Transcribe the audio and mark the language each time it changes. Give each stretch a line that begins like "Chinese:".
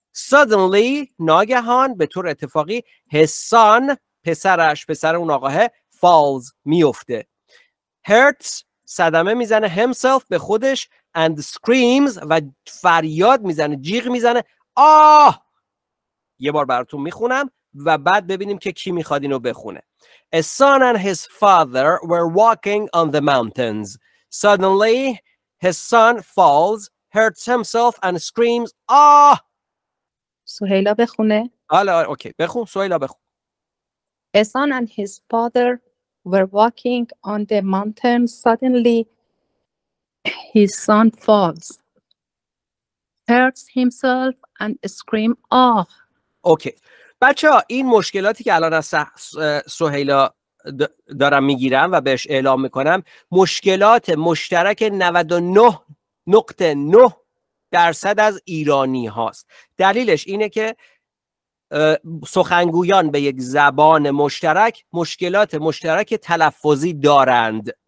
English: suddenly
Persian: ناگهان به طور اتفاقی حسان پسرش، پسر اون آقاه،
English: falls
Persian: میفته.
English: hurts
Persian: صدمه میزنه،
English: himself
Persian: به خودش،
English: and screams
Persian: و فریاد میزنه، جیغ میزنه. آه! یه بار براتون میخونم و بعد ببینیم که کی میخواد اینو بخونه.
English: A son and his father were walking on the mountains. Suddenly, his son falls, hurts himself and screams, آه!
Persian: سهیلا بخونه. آره، بخون، سهیلا بخون.
English: A son and his father were walking on the mountains. Suddenly, his son falls, hurts himself and screams, آه!
Persian: اوکی. بچه ها، این مشکلاتی که الان از سهیلا دارم میگیرم و بهش اعلام میکنم، مشکلات مشترک 99.9% از ایرانی هاست. دلیلش اینه که سخنگویان به یک زبان مشترک مشکلات مشترک تلفظی دارند.